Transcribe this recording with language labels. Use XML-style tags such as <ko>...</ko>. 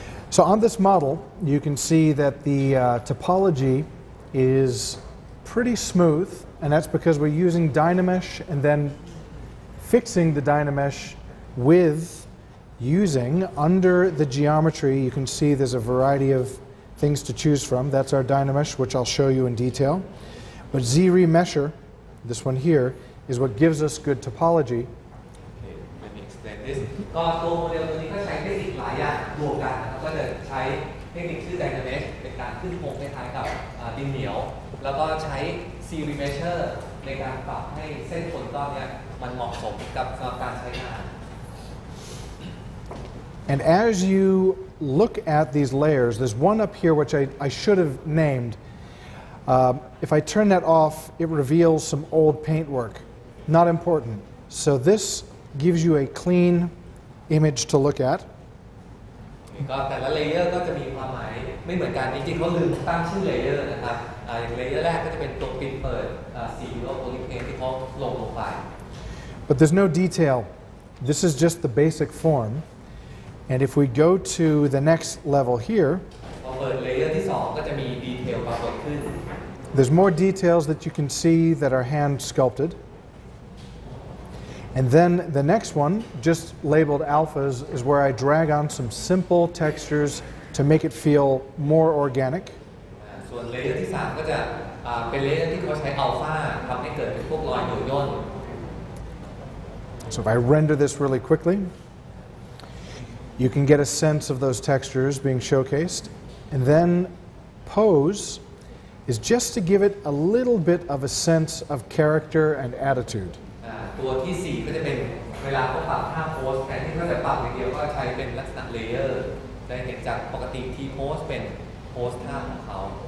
<en>So on this model, you can see that the topology is pretty smooth, and that's because we're using DynaMesh and then fixing the DynaMesh with using under the geometry. You can see there's a variety of things to choose from. That's our DynaMesh, which I'll show you in detail. But ZRemesher, this one here, is what gives us good topology. Okay, let me explain this.</en> <th>ก็ตัวโมเดลตัวนี้ก็ใช้เทคนิคหลายอย่างรวมกันก็จะใช้เทคนิคชื่อ DynaMesh เป็นการขึ้นโครงคล้ายๆกับดินเหนียวแล้วก็ใช้ ZRemesher ในการปรับให้เส้นขนต้อนเนี่ยมันเหมาะสมกับการใช้งาน</th> <en>And as you look at these layers, there's one up here which I should have named. If I turn that off, it reveals some old paintwork. Not important. So this gives you a clean image to look at.</en> <th>ก็แต่ละเลเยอร์ก็จะมีความหมายไม่เหมือนกันจริงๆเขาลืมตั้งชื่อเลเยอร์นะครับอย่างเลเยอร์แรกก็จะเป็นตัวปิดเปิดสีโลโอลิเพนที่เขาลงไป</th> <en>But there's no detail. This is just the basic form. And if we go to the next level here,</en> <th>พอเปิดเลเยอร์ที่สองก็จะมีดีเทลปรากฏขึ้น</th> <en>There's more details that you can see that are hand sculpted. And then the next one, just labeled alphas, is where I drag on some simple textures to make it feel more organic. So the layer</en> <th>ที่สามก็จะเป็นเลเยอร์ที่เขาใช้อัลฟ่าทำให้เกิดเป็นพวกรอยหยดย่น</th> <en>So if I render this really quickly, you can get a sense of those textures being showcased. And then pose is just to give it a little bit of a sense of character and attitude.</en> <th>ตัวที่4ก็จะเป็นเวลาเขาปรับท่าโพสแทนที่เขาจะปรับอย่างเดียวก็ใช้เป็นลักษณะเลเยอร์ได้เห็นจากปกติที่โพสเป็นโพสท่าของเขา</th>